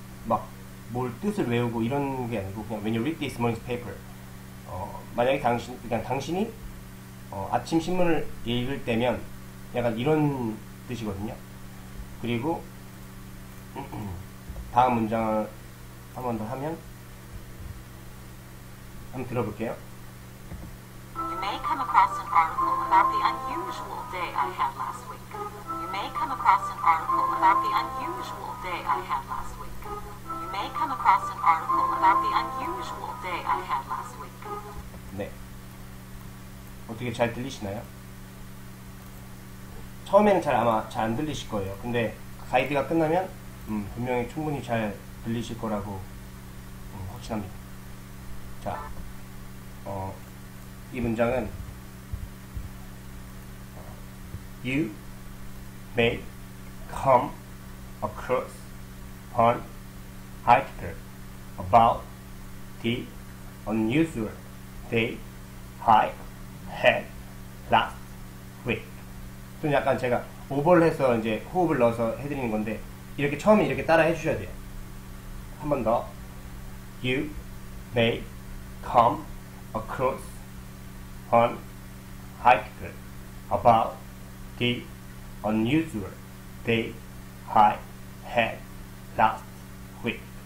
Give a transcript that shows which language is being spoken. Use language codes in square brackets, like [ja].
[ko] 막뭘 뜻을 외우고 이런 게 아니고 그냥 [en] When you read this morning's paper, [ko] 만약에 그냥 당신이 아침 신문을 읽을 때면 약간 이런 뜻이거든요. 그리고 다음 문장을 한번더 하면 한번 들어볼게요. [en] You may come across an article about the unusual day I had last week. You may come across an article about the unusual day I had last week. You may come across an article about the unusual day I had last week. [ko] 네. 어떻게 잘 들리시나요? 처음에는 잘 아마 잘안 들리실 거예요. 근데 가이드가 끝나면 분명히 충분히 잘 들리실 거라고 확신합니다. 자, 이 문장은 [en] You may come across an article about the unusual day I had last week. [ko] 좀 약간 제가 오버를 해서 이제 호흡을 넣어서 해드리는 건데, 이렇게 처음에 이렇게 따라 해주셔야 돼요. 한번 더. [en] You may come across an article about the unusual day I had last week.